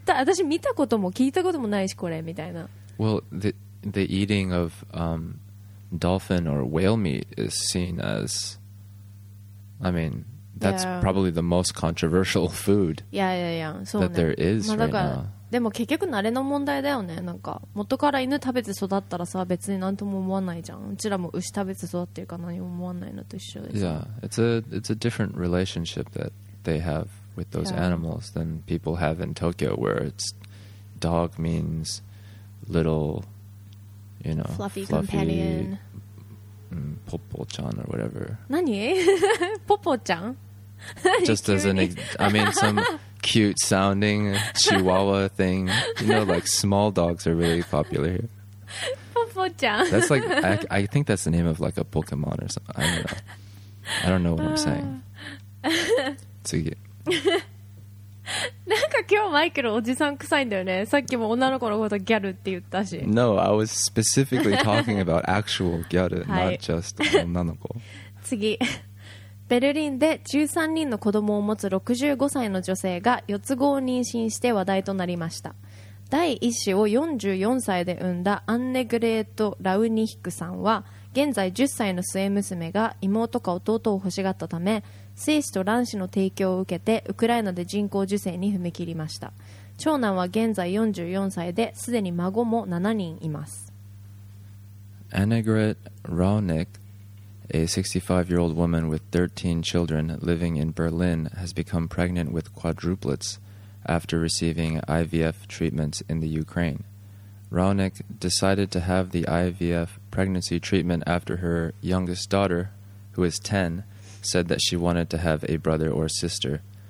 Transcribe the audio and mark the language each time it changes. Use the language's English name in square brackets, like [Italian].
[Japanese] 絶対、私見たことも聞いたこともないし、これ、みたいな。 [English] Well, the eating of, dolphin or whale meat is seen as, I mean, that's yeah. probably the most controversial food yeah, yeah, yeah. So that there is [Japanese] まあ、 [English] right now. [Japanese] でも結局慣れの問題だよね。なんか元から犬食べて育ったらさ、別に何とも思わないじゃん。うちらも牛食べて育ってるから何も思わないのと一緒です。 [English] Yeah, it's a different relationship that they have with those yeah. animals than people have in Tokyo, where it's dog means little. You know, fluffy companion. Popo-chan or whatever. [Japanese] 何?Popo-chan? [English] Just as an... I mean, some cute-sounding chihuahua thing. You know, like small dogs are really popular here. Popo-chan. That's like... I think that's the name of like a Pokemon or something. I don't know. I don't know what I'm saying. [Japanese] 次。なんか今日マイケルおじさん臭いんだよね。さっきも女の子のことギャルって言ったし。 [English] No, I was specifically talking about actual ギャル 、 [Japanese] はい、 [English] not just 女の子。 [Japanese] 次、ベルリンで13人の子供を持つ65歳の女性が4つ子を妊娠して話題となりました。第1子を44歳で産んだアンネグレート・ラウニヒクさんは、現在10歳の末娘が妹か弟を欲しがったため、精子と卵子の提供を受けてウクライナで人工授精に踏み切りました。長男は現在44歳で、すでに孫も7人います。 [English] Annegret Raunick, a 65-year-old woman with 13 children living in Berlin, has become pregnant with quadruplets after receiving IVF treatments in the Ukraine. Raunick decided to have the IVF pregnancy treatment after her youngest daughter, who is 10,said that she wanted to have a brother or sister.